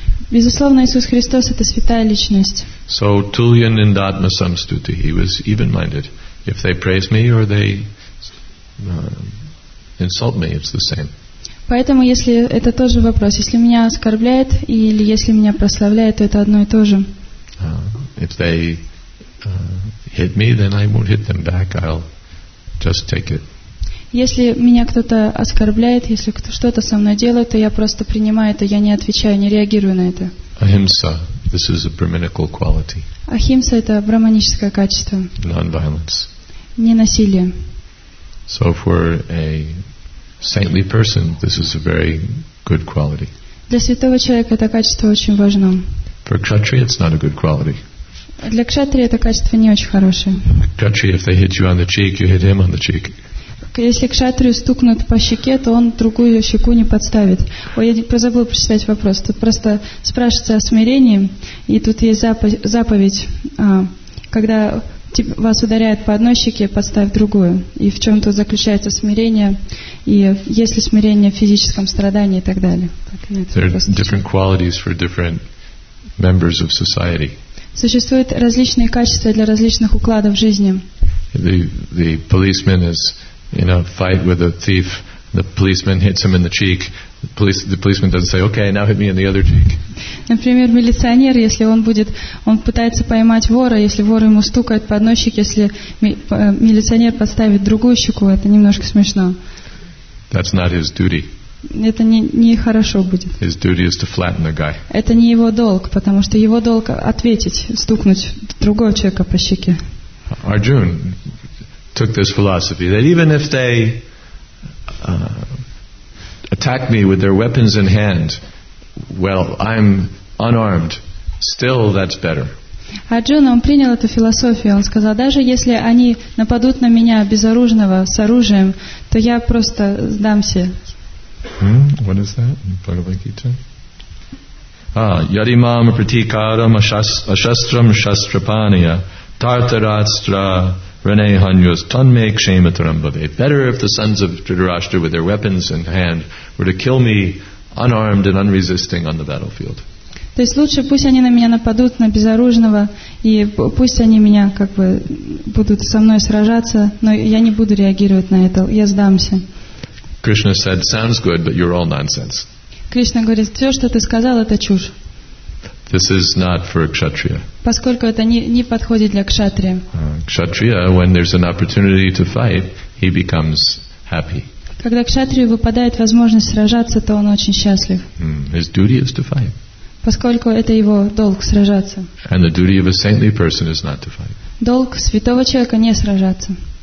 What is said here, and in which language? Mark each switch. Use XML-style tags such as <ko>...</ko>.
<ru>Безусловно, Иисус Христос это святая личность.</ru> <en>So</en> <sa>tulyan indatma samstuti.</sa> <en>He was even-minded. If they praise me or they insult me, it's the same.</en> <ru>Поэтому, если это тоже вопрос, если меня оскорбляет или если меня прославляет, то это одно и то же.</ru> <en>If they hit me, then I won't hit them back. I'll just take it.</en> <ru>Если меня кто-то оскорбляет, если кто-то что-то со мной делает, то я просто принимаю это, я не отвечаю, не реагирую на это.</ru> <en>Ahimsa, this is a brahminical quality.</en> <ru>Ахимса это брахманическое качество.</ru> <en>Non-violence.</en> <ru>Ненасилие.</ru> <en>So for a saintly person, this is a very good quality.</en> <ru>Для святого человека это качество очень важно.</ru> <en>For kshatriya, it's not a good quality.</en> <ru>Для кшатри это качество не очень хорошее.</ru> <en>Kshatriya, if they hit you on the cheek, you hit him on the cheek.</en> <ru>Если кшатрию стукнут по щеке, то он другую щеку не подставит. Ой, я позабыла прочитать вопрос. Тут просто спрашивается о смирении, и тут есть заповедь, когда вас ударяют по одной щеке, подставь другую. И в чем тут заключается смирение, и есть ли смирение в физическом страдании и так далее.</ru> <en>There are different qualities for different members of society.</en> <ru>Существуют различные качества для различных укладов жизни.</ru> <en>The policeman is in a fight with a thief, the policeman hits him in the cheek. The policeman doesn't say, "Okay, now hit me in the other cheek."</en> <ru>Например, милиционер, если он будет, он пытается поймать вора, если вор ему стукает по одной щеке, если милиционер подставит другую щеку, это немножко смешно.</ru> <en>That's not his duty.</en> <ru>Это не хорошо будет.</ru> <en>His duty is to flatten the guy.</en> <ru>Это не его долг, потому что его долг ответить, стукнуть другого человека по щеке.</ru> <en>Arjun took this philosophy that even if they attack me with their weapons in hand, well, I'm unarmed, still that's better.</en> <ru>Арджуна, он принял эту философию. Он сказал, даже если они нападут на меня безоружного с оружием, то я просто сдамся.</ru> <en>What is that?</en> <sa>Bhagavad Gita? Yadimam pratikaram ashastram shastrapaniya tartaratstra Rene Hanyos Tanme Kshematarambade.</sa> <en>Better if the sons of Dhritarashtra with their weapons in hand were to kill me unarmed and unresisting on the battlefield.</en> <ru>То есть лучше пусть они на меня нападут, на безоружного, и пусть они меня как бы будут со мной сражаться, но я не буду реагировать на это, я сдамся.</ru> <en>Krishna said, sounds good, but you're all nonsense.</en> <ru>Кришна говорит, все, что ты сказал, это чушь.</ru> <en>This is not for kshatriya.</en> <ru>Поскольку это не подходит для кшатрия.</ru> <en>Kshatriya, when there's an opportunity to fight, he becomes happy.</en> <ru>Когда кшатрию выпадает возможность сражаться, то он очень счастлив.</ru> <en>His duty is to fight.</en> <ru>Поскольку это его долг сражаться.</ru> <en>And the duty of a saintly person is not to fight.</en> <ru>Долг святого человека не сражаться.</ru>